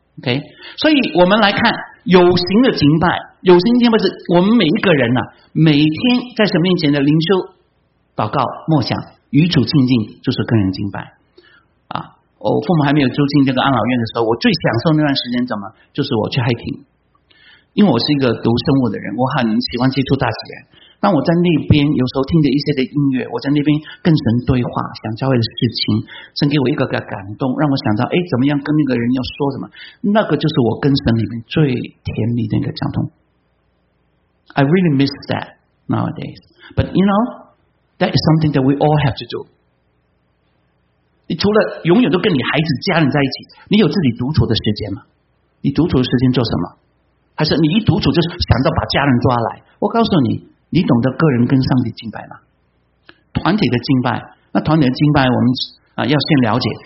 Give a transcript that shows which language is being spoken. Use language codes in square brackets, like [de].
[zh] OK， 所以我们来看有形的敬拜，有形敬拜是我们每一个人每天在神面前的灵修祷告默想与主亲近，就是个人敬拜我父母还没有住进这个安老院的时候，我最享受那段时间怎么，就是我去 hiking， 因为我是一个读生物的人，我很喜欢接触大自然。但我在那边有时候听着一些的音乐，我在那边跟神对话，想教会的事情，神给我一个感动，让我想到怎么样跟那个人要说什么，那个就是我跟神里面最甜蜜的一个交通。 [en] I really miss that nowadays, but you knowThat is something that we all have to do. [zh] 你除了永远都跟你孩子家人在一起，你有自己独处的时间吗？你独处的时间做什么？还是你一独处就想到把家人抓来？我告诉你，你懂得个人跟上帝敬拜吗？团体的敬拜，那团体的敬拜我们要先了解。